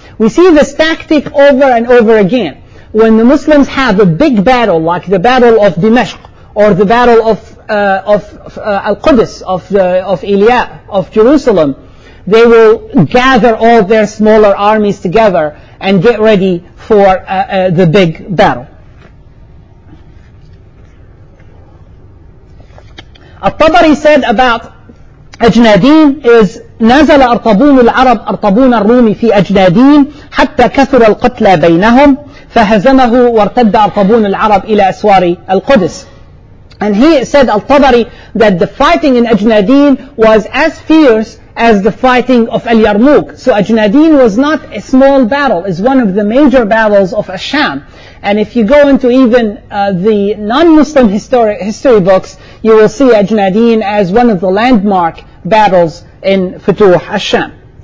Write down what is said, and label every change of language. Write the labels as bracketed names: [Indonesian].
[English] We see this tactic over and over again. When the Muslims have a big battle, like the Battle of Dimashq, or the Battle of Al-Qudus, of Ilia, of Jerusalem, they will gather all their smaller armies together and get ready for the big battle. At-Tabari said about Ajnadin is, [Arabic] نزل أرطبون العرب أرطبون الروم في أجنادين حتى كثر القتلى بينهم فهزمه وارتد أرطبون العرب إلى أسوار القدس. [English] And he said, Al-Tabari, that the fighting in Ajnadin was as fierce as the fighting of Al-Yarmouk. So Ajnadin was not a small battle. It's one of the major battles of Asham. And if you go into even the non-Muslim history books, you will see Ajnadin as one of the landmark battles in Futuh Asham.